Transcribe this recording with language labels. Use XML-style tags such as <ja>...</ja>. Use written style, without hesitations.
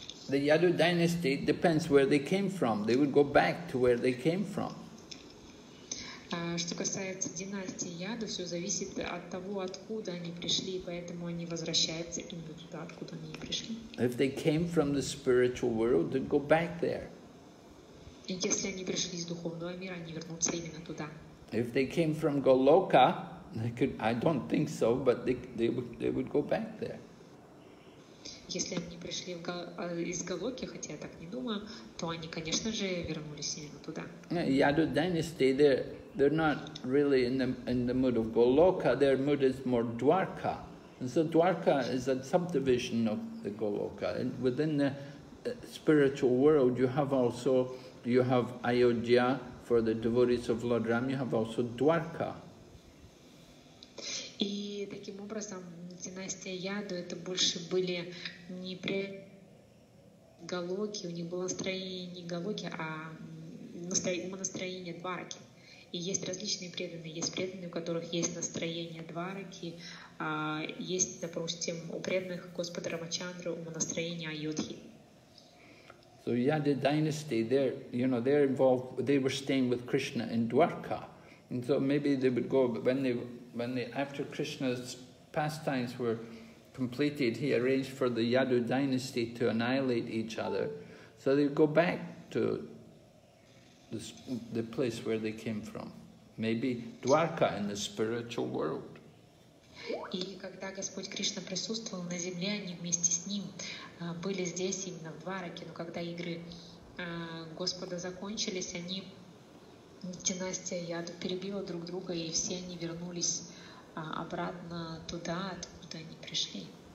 <en>The Yadu dynasty depends where they came from. They would go back to where they came from.</en> <ru>Что касается династии Яду, все зависит от того, откуда они пришли, поэтому они возвращаются именно туда, откуда они пришли.</ru> <en>If they came from the spiritual world, then go back there.</en> <ru>И если они пришли из духовного мира, они вернутся именно туда.</ru> <en>If they came from Goloka, they could, I don't think so, but they would go back there.</en> <ru>Если они пришли из Голоки, хотя я так не думаю, то они, конечно же, вернулись именно туда.</ru> <en>Yadu dynasty, they're not really in the mood of Goloka. Their mood is more Dwarka. And so Dwarka is a subdivision of the Goloka. And within the spiritual world, you have Ayodhya for the devotees of Lord Ram. You have also Dwarka.</en> <ru>И таким образом династия Яду это больше были не при Голоке. У них было настроение не Голоки, а настроение Двараки. И есть различные преданные. Есть преданные, у которых есть настроение Двараки, есть, допустим, у преданных Господа Рамачандры у настроения Айодхи.</ru> <en>So Yadu dynasty, they're, you know, they're involved. They were staying with Krishna in Dwarka, and so maybe they would go when they after Krishna's pastimes were completed, he arranged for the Yadu dynasty to annihilate each other, so they'd go back to the place where they came from, maybe Dwarka in the spiritual world.</en> <ru>И когда Господь Кришна присутствовал на земле, они вместе с ним были здесь именно в Двараке. Но когда игры Господа закончились, они династия Яду перебила друг друга, и все они вернулись обратно туда, откуда они пришли.</ru>